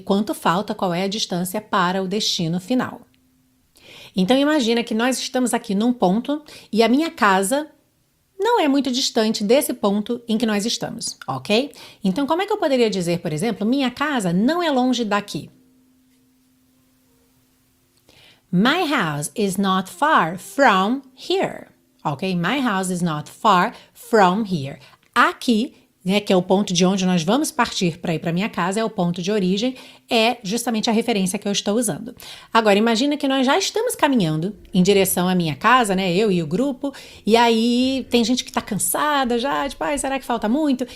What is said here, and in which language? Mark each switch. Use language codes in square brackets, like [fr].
[pt] Quanto falta, qual é a distância para o destino final. Então imagina que nós estamos aqui num ponto e a minha casa não é muito distante desse ponto em que nós estamos, ok? Então, como é que eu poderia dizer, por exemplo, minha casa não é longe daqui? [en] My house is not far from here, ok? My house is not far from here. [pt] Aqui, né, que é o ponto de onde nós vamos partir para ir para minha casa, é o ponto de origem, é justamente a referência que eu estou usando. Agora, imagina que nós já estamos caminhando em direção à minha casa, né, eu e o grupo, e aí tem gente que está cansada já, tipo, ai, será que falta muito?